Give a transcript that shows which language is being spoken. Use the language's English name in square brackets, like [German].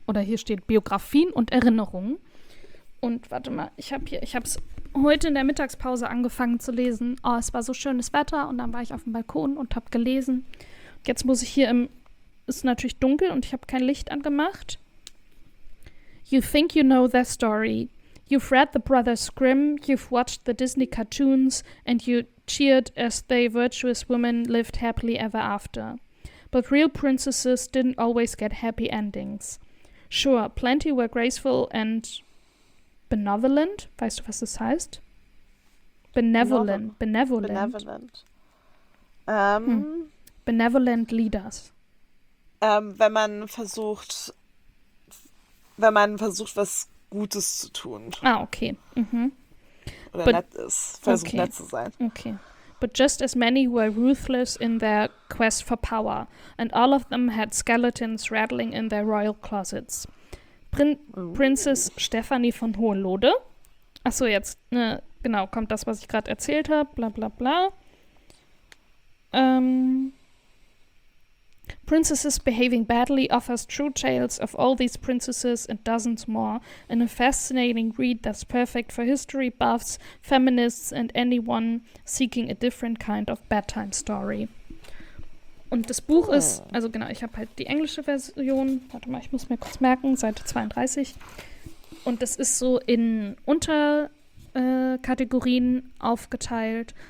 [German] Oder hier steht Biografien und Erinnerungen. Und warte mal, ich habe es heute in der Mittagspause angefangen zu lesen. Oh, es war so schönes Wetter und dann war ich auf dem Balkon und habe gelesen. Und jetzt muss ich hier im. Es ist natürlich dunkel und ich habe kein Licht angemacht. [English] You think you know their story. You've read the Brothers Grimm, you've watched the Disney cartoons, and you cheered as they virtuous women lived happily ever after. But real princesses didn't always get happy endings. Sure, plenty were graceful and benevolent. [German] Weißt du, was das heißt? Benevolent, benevolent. [English] Benevolent. Benevolent leaders. [German] Wenn man versucht, was Gutes zu tun. Ah, okay. Oder nett ist, versucht nett zu sein. [English] But just as many were ruthless in their quest for power, and all of them had skeletons rattling in their royal closets. Princess Stephanie von Hohenlohe. [German] Achso, jetzt, ne, genau, kommt das, was ich gerade erzählt habe, bla bla bla. [English] Princesses behaving badly offers true tales of all these princesses and dozens more in a fascinating read that's perfect for history buffs, feminists and anyone seeking a different kind of bedtime story. [German] Und das Buch ist, also genau, ich habe halt die englische Version, warte mal, ich muss mir kurz merken, Seite 32. Und das ist so in Unterkategorien aufgeteilt.